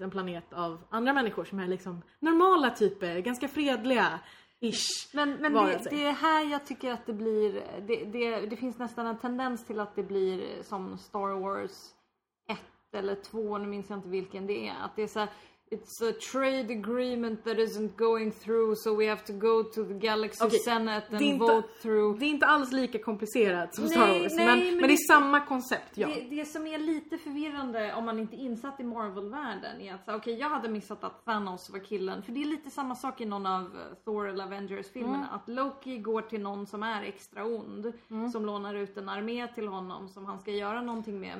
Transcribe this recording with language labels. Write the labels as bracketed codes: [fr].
[sv] En planet av andra människor som är liksom normala typer, ganska fredliga. Men det är här jag tycker att det blir, det finns nästan en tendens till att det blir som Star Wars 1 eller 2, nu minns jag inte vilken det är. Att det är så här, [en] it's a trade agreement that isn't going through, so we have to go to the Galaxy Senate and vote through. [sv] Det är inte alls lika komplicerat som Star Wars, men det är samma koncept. Ja. Det som är lite förvirrande om man inte är insatt i Marvel-världen är att okej, jag hade missat att Thanos var killen. För det är lite samma sak i någon av Thor eller Avengers-filmerna. Mm. Att Loki går till någon som är extra ond, som lånar ut en armé till honom som han ska göra någonting med.